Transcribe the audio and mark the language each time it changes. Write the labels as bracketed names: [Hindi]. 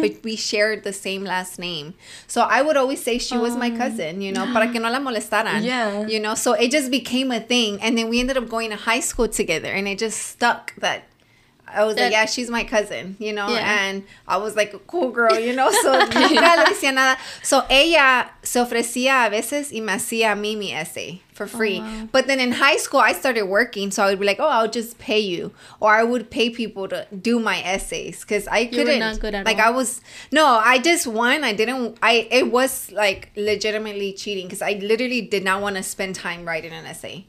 [English] But we shared the same last name. So I would always say she was my cousin, you know, [Spanish] para que no la molestaran. [English] Yeah. You know, so it just became a thing. And then we ended up going to high school together, and it just stuck that. I was like, yeah, she's my cousin, you know? Yeah. And I was like, a cool girl, you know? [Spanish] So, nunca le decía nada. So, ella se ofrecía a veces y me hacía a mí mi [English] essay for free. Oh, wow. But then in high school, I started working. So, I would be like, oh, I'll just pay you. Or I would pay people to do my essays. Because I couldn't. You were not good at like, all. I was. No, I just won. I didn't. It was, like, legitimately cheating. Because I literally did not want to spend time writing an essay.